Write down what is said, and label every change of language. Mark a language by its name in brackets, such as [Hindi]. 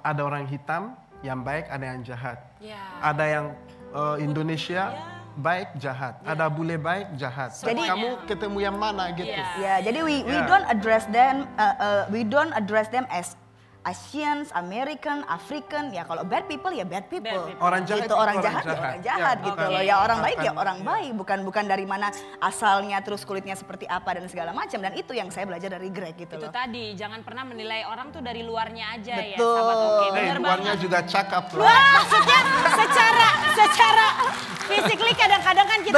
[Indonesian] ada orang hitam yang baik, ada yang jahat. Yeah. Ada yang Indonesia. Yeah. Baik jahat yeah. Ada bule baik jahat. Jadi kamu ketemu yang mana gitu ya yeah. Jadi we yeah. [English] Don't address them we don't address them as Asians, American, African [Indonesian] ya kalau [English] bad people ya bad people, bad people. [Indonesian] Orang jahat itu orang jahat, jahat. Ya orang jahat yeah. Gitu okay. Loh ya orang baik ya orang baik bukan dari mana asalnya terus kulitnya seperti apa dan segala macam dan itu yang saya belajar dari Greg gitu itu loh. Tadi jangan pernah menilai orang tuh dari luarnya aja betul. Ya betul okay. Hey, luarnya banget. Juga cakep loh. Wah, maksudnya secara fisiknya kadang-kadang kan kita